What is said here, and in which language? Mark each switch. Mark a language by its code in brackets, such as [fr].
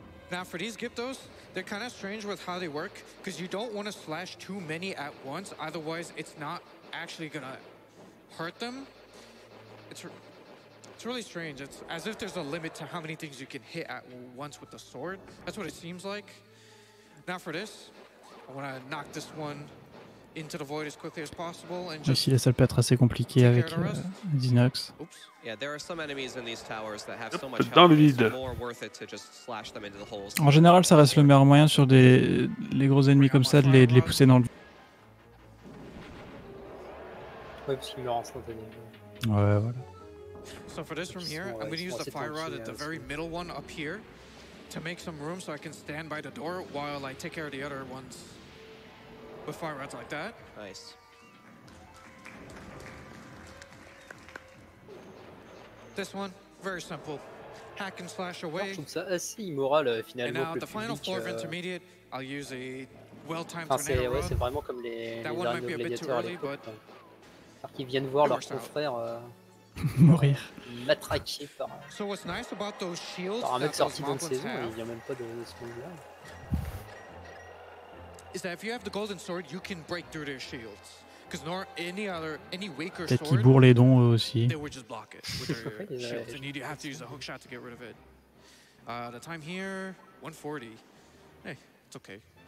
[en] Now for these gyptos, they're kind of strange with how they work, because you don't want to slash too many at once, otherwise it's not actually gonna hurt them. It's really strange. It's as if there's a limit to how many things you can hit at once with the sword. That's what it seems like. Now for this, I want to knock this one into the void as quickly as possible. And just [fr] aussi, la salle peut être assez compliquée avec Dinox. [en] Yeah, there are some enemies in these towers that have so much health. It's more worth it to just slash them into the holes. [fr] En général, ça reste le meilleur moyen sur les gros ennemis comme ça de les pousser dans le. Ouais, parce qu'il meurt instantanément. Ouais, voilà. [en] So for this room here, I'm going to use the fire rod at the very middle one up here to make some room so I can stand by the door while I take care of the other ones with fire rods like that. Nice. This one, very simple. Hack and slash away. And now the final floor of intermediate, I'll use a well-timed tornado rod. [fr] Ouais, c'est vraiment comme les derniers gladiateurs à l'époque. Alors qu'ils viennent voir leur confrère mourir. Matraqué par un mec sorti d'une saison, il vient même pas de ce monde-là. [en] Is that if you have the golden sword, you can break through their shields. Because nor any other, any weaker sword. [fr] Peut-être qu'ils bourrent les dons aussi. [en] They would just block it with their shields. And you have to use a hook shot to get rid of it. The time here, 140. Hey, it's okay.